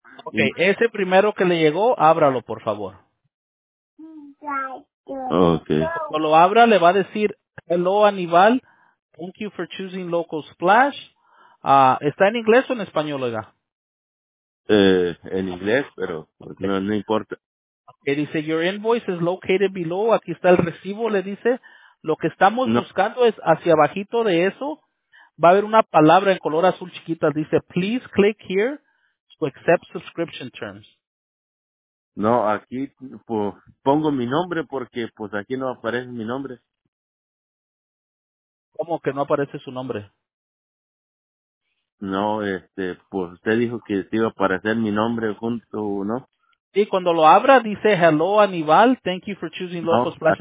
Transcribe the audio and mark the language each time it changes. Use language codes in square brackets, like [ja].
[es] Okay, ese primero que le llegó, ábralo, por favor. Okay. Cuando lo abra, le va a decir, [en] hello, Aníbal, thank you for choosing Local Splash. [es] ¿Está en inglés o en español, oiga? En inglés, pero no importa. [en] Okay, [es] dice, [en] your invoice is located below. [es] Aquí está el recibo, le dice. Lo que estamos buscando es, hacia abajito de eso, va a haber una palabra en color azul chiquita. [en] Dice, please click here to accept subscription terms. [es] No, aquí pues, pongo mi nombre porque pues aquí no aparece mi nombre. ¿Cómo que no aparece su nombre? No, pues usted dijo que iba a aparecer mi nombre junto, ¿no? Sí, cuando lo abra dice, [en] hello, Aníbal, thank you for choosing Local Splash.